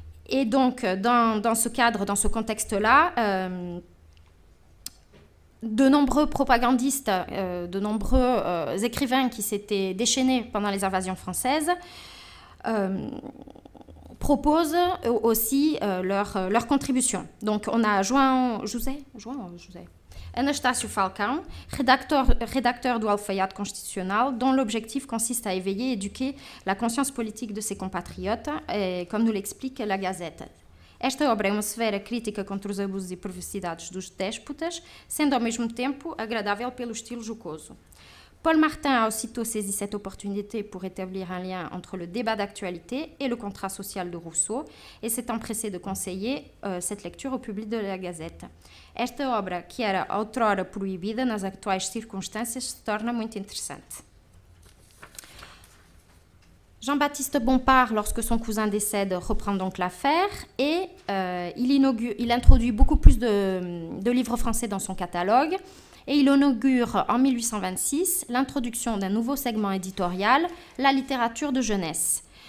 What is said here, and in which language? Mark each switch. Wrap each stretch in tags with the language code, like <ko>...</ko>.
<fr>Et donc, dans ce cadre, dans ce contexte-là, de nombreux propagandistes, de nombreux écrivains qui s'étaient déchaînés pendant les invasions françaises proposent aussi leur contribution. Donc on a João José, Anastácio Falcão, rédacteur du Alfaiate constitutionnel, dont l'objectif consiste à éveiller et éduquer la conscience politique de ses compatriotes, et, comme nous l'explique la Gazette.</fr> <pt>Esta obra é uma severa crítica contra os abusos e perversidades dos déspotas, sendo ao mesmo tempo agradável pelo estilo jocoso.</pt> <fr>Paul Martin a aussitôt saisi cette opportunité pour établir un lien entre le débat d'actualité et le contrat social de Rousseau et s'est empressé de conseiller cette lecture au public de la Gazette.</fr> <pt>Esta obra, que era outrora proibida nas atuais circunstâncias, se torna muito interessante.</pt> <fr>Jean-Baptiste Bompard, lorsque son cousin décède, reprend donc l'affaire et il introduit beaucoup plus de livres français dans son catalogue et il inaugure en 1826 l'introduction d'un nouveau segment éditorial, la littérature de jeunesse.</fr>